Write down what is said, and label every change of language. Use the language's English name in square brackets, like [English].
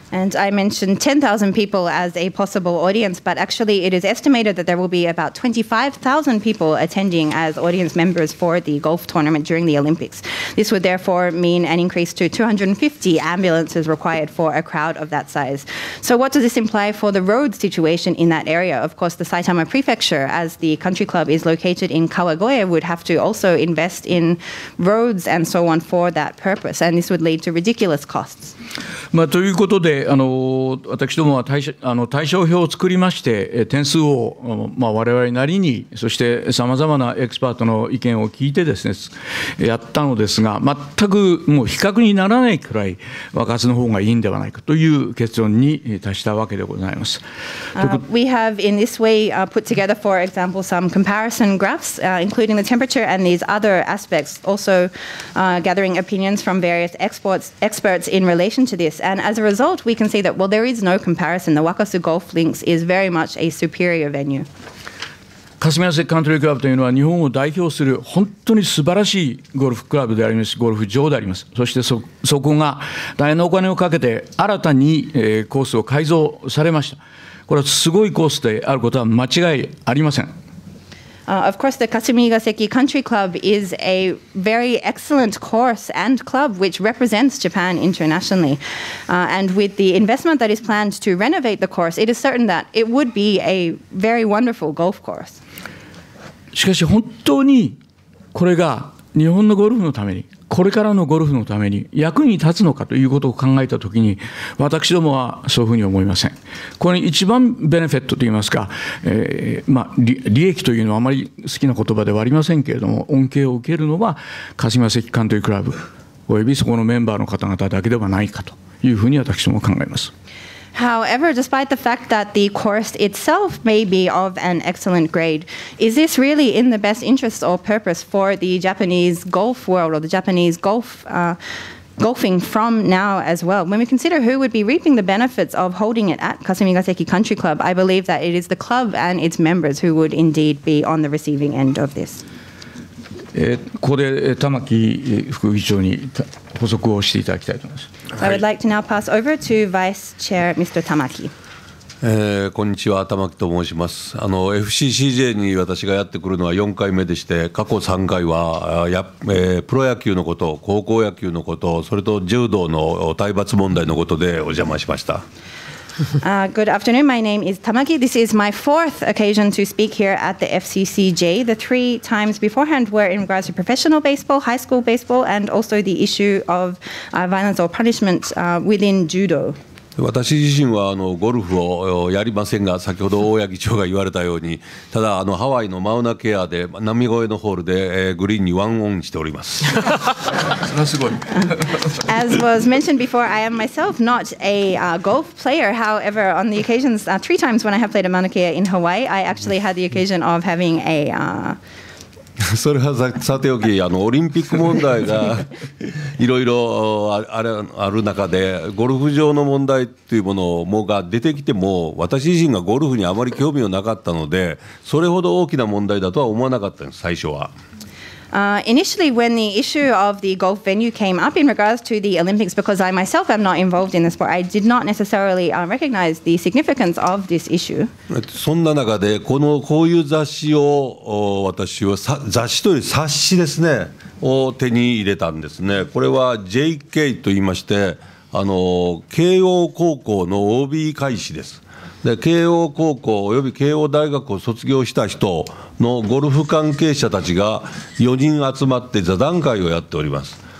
[English] And I mentioned 10,000 people as a possible audience, but actually it is estimated that there will be about 25,000 people attending as audience members for the golf tournament during the Olympics. This would therefore mean an increase to 250 ambulances required for a crowd of that size. So what does this imply for the road situation in that area? Of course, the Saitama Prefecture, as the country club is located in Kawagoe, would have to also invest in roads and so on for that purpose, and this would lead to ridiculous costs. [Japanese] まあ、ということで、私どもは対象表を作りまして、点数を、まあ、我々なりに、そしてさまざまなエキスパートの意見を聞いてですね、やったのですが、全くもう比較にならないくらい、爆発の方がいいんではないかという結論に達したわけでございます。 [English] We have in this way put together, for example, some comparison graphs, including the temperature and these other aspects, also gathering opinions from various experts in relation to this. And as a result, we can see that, well, there is no comparison. The Wakasu Golf Links is very much a superior venue. [Japanese] Kasumigaseki Country Club というのは日本を代表する本当に素晴らしいゴルフクラブであります、ゴルフ場であります。そして そこが大変なお金をかけて新たに、コースを改造されました。これはすごいコースであることは間違いありません。 [English] Of course, the Kasumigaseki Country Club is a very excellent course and club which represents Japan internationally. And with the investment that is planned to renovate the course, it is certain that it would be a very wonderful golf course. [Japanese] しかし本当にこれが日本のゴルフのために、これからのゴルフのために役に立つのかということを考えたときに、私どもはそういうふうに思いません。これ一番ベネフィットといいますか、まあ、利益というのはあまり好きな言葉ではありませんけれども、恩恵を受けるのは Kasumigaseki Country Club およびそこのメンバーの方々だけではないかというふうに私ども考えます。 [English] However, despite the fact that the course itself may be of an excellent grade, is this really in the best interest or purpose for the Japanese golf world or the Japanese golfing from now as well? When we consider who would be reaping the benefits of holding it at Kasumigaseki Country Club, I believe that it is the club and its members who would indeed be on the receiving end of this. [Japanese] ここで玉木副議長に補足をしていただきたいと思います。 [English] So、I would like to now pass over to Vice Chair Mr. Tamaki. [Japanese] こんにちは、玉木と申します。FCCJ に私がやってくるのは4回目でして、過去3回はプロ野球のこと、高校野球のこと、それと柔道の体罰問題のことでお邪魔しました。 [English] Good afternoon. My name is Tamaki. This is my fourth occasion to speak here at the FCCJ. The three times beforehand were in regards to professional baseball, high school baseball, and also the issue of violence or punishment within judo. [Japanese] 私自身はゴルフをやりませんが、先ほど大谷議長が言われたように、ただハワイのマウナケアで波越えのホールで、グリーンにワンオンしております。すごい。 [English] As was mentioned before, I am myself not a golf player. However, on the occasions, three times when I have played a Mauna Kea in Hawaii, I actually had the occasion of having a... [Japanese] それはさておき、オリンピック問題がいろいろある中で、ゴルフ場の問題というものもが出てきても、私自身がゴルフにあまり興味はなかったので、それほど大きな問題だとは思わなかったんです、最初は。 [English] Initially, when the issue of the golf venue came up in regards to the Olympics, because I myself am not involved in the sport, I did not necessarily recognize the significance of this issue. [Japanese] そんな中で、こういう雑誌を私は雑誌という冊子ですね、を手に入れたんですね。これは JK と言いまして、慶応高校の OB 会誌です。で慶応高校および慶応大学を卒業した人のゴルフ関係者たちが4人集まって座談会をやっております。